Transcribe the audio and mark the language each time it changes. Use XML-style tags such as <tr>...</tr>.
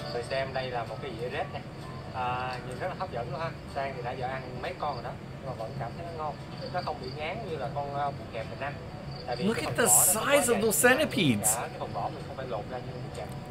<vi>Xem đây là một cái dĩa rết này, nhìn rất là hấp dẫn luôn ha. Sang thì đã giờ ăn mấy con rồi đó, nhưng mà vẫn cảm thấy nó ngon, nó không bị ngán như là con bụt kẹp mình ăn.</vi> <en>Look at the size of those centipedes.</en> <vi>Cái phần vỏ mình không phải lột ra như bụt kẹp.</vi>